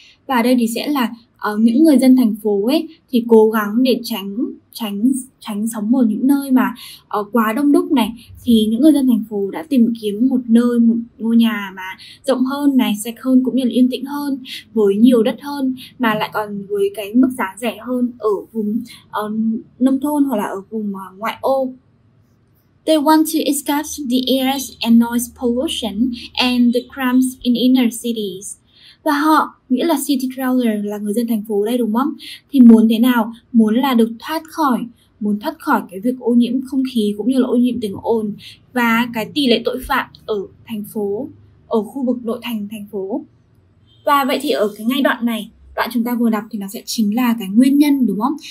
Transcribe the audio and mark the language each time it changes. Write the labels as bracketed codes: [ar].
[vi] Và đây thì sẽ là những người dân thành phố ấy thì cố gắng để tránh sống ở những nơi mà quá đông đúc này, thì những người dân thành phố đã tìm kiếm một nơi, một ngôi nhà mà rộng hơn này, sạch hơn cũng như là yên tĩnh hơn, với nhiều đất hơn mà lại còn với cái mức giá rẻ hơn ở vùng nông thôn hoặc là ở vùng ngoại ô. [en] They want to escape the air and noise pollution and the crimes in inner cities. [vi] Và họ, nghĩa là city dweller là người dân thành phố đây đúng không? Thì muốn thế nào? Muốn là được thoát khỏi, muốn thoát khỏi cái việc ô nhiễm không khí cũng như là ô nhiễm tiếng ồn và cái tỷ lệ tội phạm ở thành phố, ở khu vực nội thành thành phố. Và vậy thì ở cái ngay đoạn này, đoạn chúng ta vừa đọc thì nó sẽ chính là cái nguyên nhân đúng không?